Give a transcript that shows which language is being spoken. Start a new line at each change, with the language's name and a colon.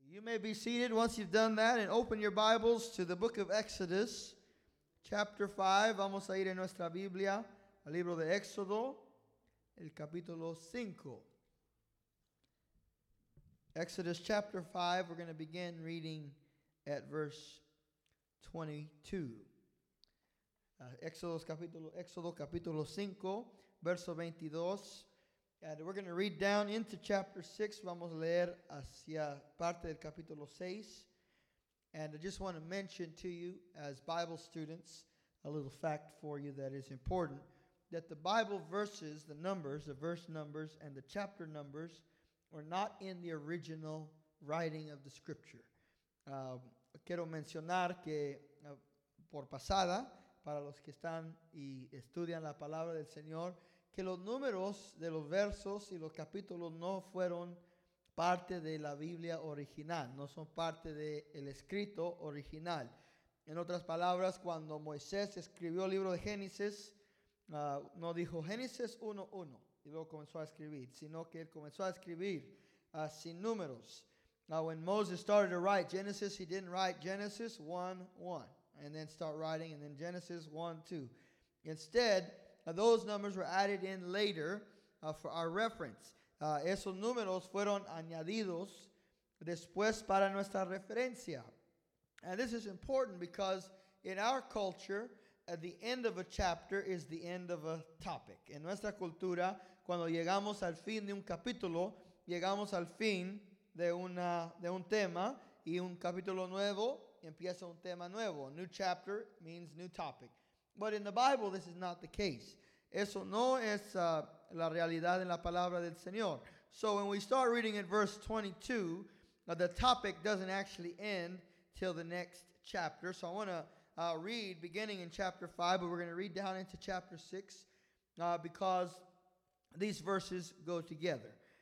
English: You may be seated once you've done that and open your Bibles to the book of Exodus, chapter 5.
Spanish: Vamos a ir en nuestra Biblia al libro de Éxodo, el capítulo 5.
English: Exodus chapter 5, we're going to begin reading at verse 22.
Spanish: Éxodo capítulo 5, verso 22.
English: And we're going to read down into chapter 6.
Spanish: Vamos a leer hacia parte del capítulo 6.
English: And I just want to mention to you as Bible students a little fact for you that is important. That the Bible verses, the numbers, the verse numbers and the chapter numbers are not in the original writing of the scripture.
Spanish: Quiero mencionar que por pasada, para los que están y estudian la palabra del Señor, que los números de los versos y los capítulos no fueron parte de la Biblia original, no son parte del escrito original. En otras palabras, cuando Moisés escribió el libro de Génesis, no dijo Génesis 1:1 y luego comenzó a escribir, sino que él comenzó a escribir sin números.
English: Now, when Moses started to write Genesis, he didn't write Genesis 1:1 and then start writing and then Genesis 1:2. Instead, those numbers were added in later for our reference.
Spanish: Esos números fueron añadidos después para nuestra referencia.
English: And this is important because in our culture, at the end of a chapter is the end of a topic.
Spanish: En nuestra cultura, cuando llegamos al fin de un capítulo, llegamos al fin de un tema, y un capítulo nuevo empieza un tema nuevo.
English: A new chapter means new topic. But in the Bible, this is not the case.
Spanish: Eso no es la realidad en la palabra del Señor.
English: So when we start reading at verse 22, the topic doesn't actually end till the next chapter. So I want to read beginning in chapter 5, but we're going to read down into chapter 6 because these verses go together.